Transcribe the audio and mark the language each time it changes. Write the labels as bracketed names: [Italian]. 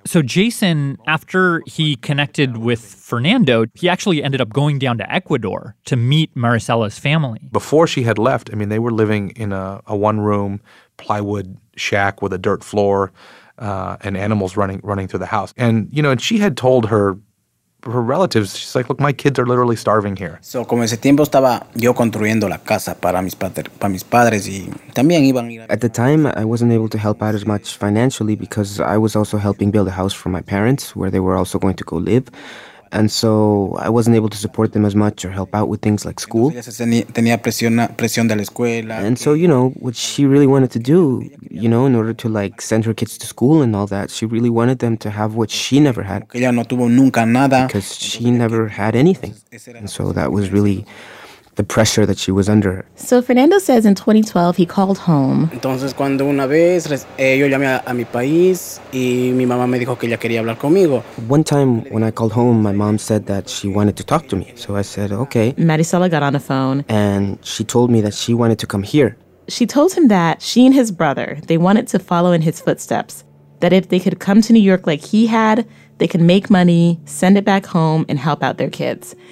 [English] So Jason, after he connected with Fernando, he actually ended up going down to Ecuador to meet Maricela's family. Before she had left, I mean, they were living in a one-room plywood shack with a dirt floor. and animals running through the house. And, you know, and she had told her relatives, she's like, look, my kids are literally starving here. [Spanish] So, como ese tiempo estaba yo construyendo la casa para mis padres y también iban... [English] At the time, I wasn't able to help out as much financially because I was also helping build a house for my parents where they were also going to go live. And so I wasn't able to support them as much or help out with things like school. And so, you know, what she really wanted to do, you know, in order to, like, send her kids to school and all that, she really wanted them to have what she never had. Because she never had anything. And so that was really the pressure that she was under. So Fernando says in 2012 he called home. [Spanish] Entonces cuando una vez yo llamé a mi país y mi mamá me dijo que ella quería hablar conmigo. [English] One time when I called home, my mom said that she wanted to talk to me. So I said, okay. Marisela got on the phone. And she told me that she wanted to come here. She told him that she and his brother, they wanted to follow in his footsteps. That if they could come to New York like he had, they could make money, send it back home, and help out their kids.